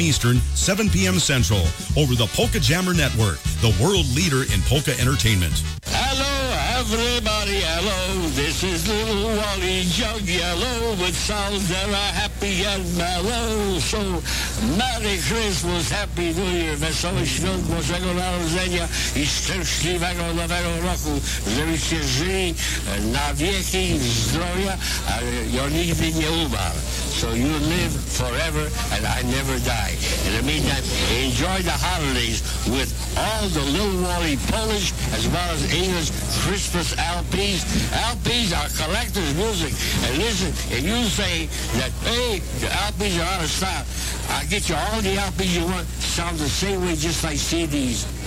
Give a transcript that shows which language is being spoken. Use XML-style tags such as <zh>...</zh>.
<en>Eastern, 7 p.m. Central, over the Polka Jammer Network, the world leader in polka entertainment. Hello, everybody, hello. This is little Wally Jug Yellow with songs that are happy and mellow. So, Merry Christmas, Happy New Year.</en> <pl>Wesołych Świąt, Bożego Narodzenia i szczęśliwego nowego roku. Żebyście żyli na wieki zdrowia, ale ja nigdy nie umarł.</pl> <en>So you live forever and I never die. In the meantime, enjoy the holidays with all the little Wally Polish as well as English Christmas LPs. LPs are collector's music. And listen, if you say that, hey, the LPs are out of style, I'll get you all the LPs you want, sound the same way just like CDs.</en>